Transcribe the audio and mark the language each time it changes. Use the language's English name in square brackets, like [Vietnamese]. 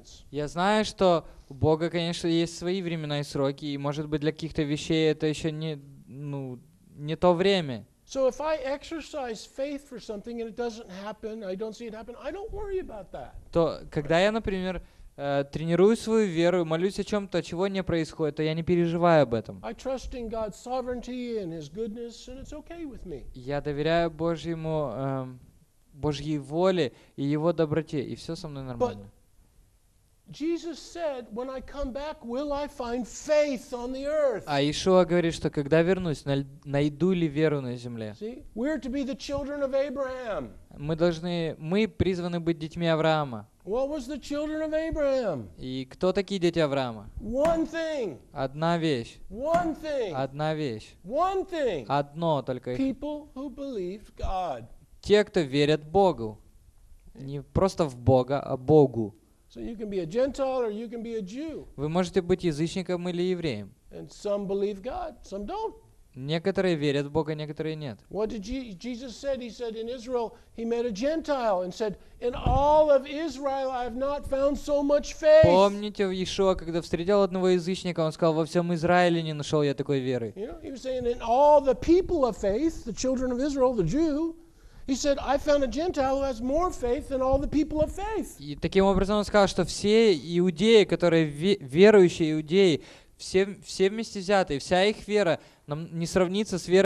[Russian] Я знаю, что у Бога, конечно, есть свои времена и сроки, и может быть для каких-то вещей это еще не... Ну, не то время. [English] So if I exercise faith for something and it doesn't happen, I don't see it happen, I don't worry about that. [Russian] То, когда я, например, тренирую свою веру, молюсь о чем-то, чего не происходит, то я не переживаю об этом. [English] I trust in God's sovereignty and His goodness, and it's okay with me. [Russian] Я доверяю Божьему, Божьей воле и Его доброте, и все со мной нормально. [English] But Jesus said, "When I come back, will I find faith on the earth?" [Russian] А Иешуа говорит, что когда вернусь, найду ли веру на земле? [English] See, we're to be the children of Abraham. [Russian] Мы призваны быть детьми Авраама. [English] What was the children of Abraham? [Russian] И кто такие дети Авраама? [English] One thing. [Russian] Одна вещь. [English] One thing. [Russian] Одна вещь. [English] One thing. [Russian] Одно только. [English] People who believe God. [Russian] Те, кто верят Богу, не просто в Бога, а Богу. [English] So you can be a Gentile or you can be a Jew. [Russian] Вы можете быть язычником или евреем. [English] And some believe God, some don't. [Russian] Некоторые верят в Бога, некоторые нет. [English] What did Jesus said? He said in Israel he met a Gentile and said, "In all of Israel I have not found so much faith." [Russian] Помните, Иешуа, когда встретил одного язычника, он сказал: "Во всем Израиле не нашел я такой веры." [English] You know, he was saying in all the people of faith, the children of Israel, the Jew. He said, "I found a Gentile who has more faith than all the people of faith." [Russian] И таким образом он сказал, что все иудеи, которые верующие иудеи, все вместе взятые, вся их вера нам не сравнится с верой.